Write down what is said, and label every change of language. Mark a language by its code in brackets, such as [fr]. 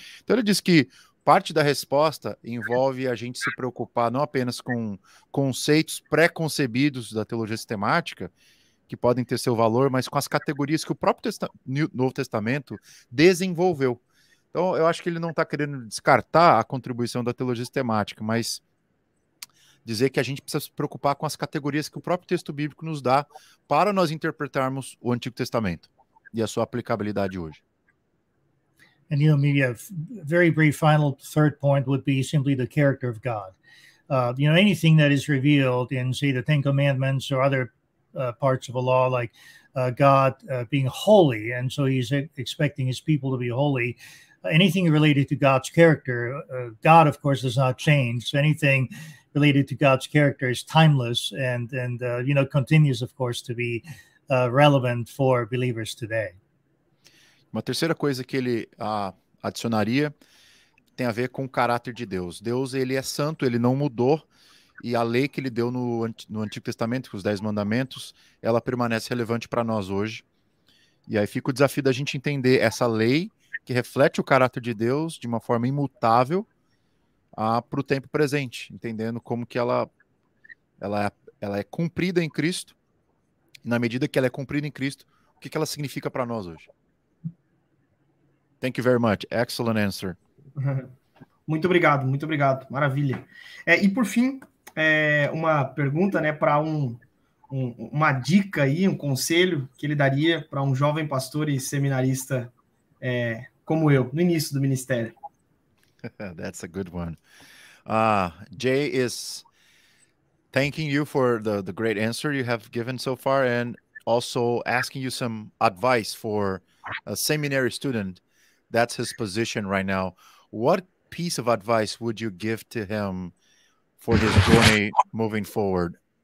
[pt] Então ele diz que parte da resposta envolve a gente se preocupar não apenas com conceitos pré-concebidos da teologia sistemática, que podem ter seu valor, mas com as categorias que o próprio Novo Testamento desenvolveu. Então, eu acho que ele não está querendo descartar a contribuição da teologia sistemática, mas dizer que a gente precisa se preocupar com as categorias que o próprio texto bíblico nos dá para nós interpretarmos o Antigo Testamento e a sua aplicabilidade hoje. [en] And you know, maybe a very brief final third point would be simply the character of God. You know, anything that is revealed in, say, the Ten Commandments or other parts of a law, like God being holy, and so he's expecting his people to be holy, anything related to God's character, God, of course, does not change. So anything related to God's character is timeless and you know, continues, of course, to be relevant for believers today. [pt] Uma terceira coisa que ele adicionaria tem a ver com o caráter de Deus. Deus, ele é santo, ele não mudou, e a lei que ele deu no Antigo Testamento, com os 10 mandamentos, ela permanece relevante para nós hoje. E aí fica o desafio da gente entender essa lei que reflete o caráter de Deus de uma forma imutável para o tempo presente, entendendo como que ela é cumprida em Cristo, e na medida que ela é cumprida em Cristo, o que ela significa para nós hoje. [en] Thank you very much. Excellent answer. [pt] Muito obrigado. Maravilha. E por fim, uma pergunta, né, para uma dica aí, um conselho que ele daria para um jovem pastor e seminarista como eu, no início do ministério. [en] That's a good one. Jay is thanking you for the great answer you have given so far and also asking you some advice for a seminary student. That's his position right now. What piece of advice would you give to him for his journey moving forward?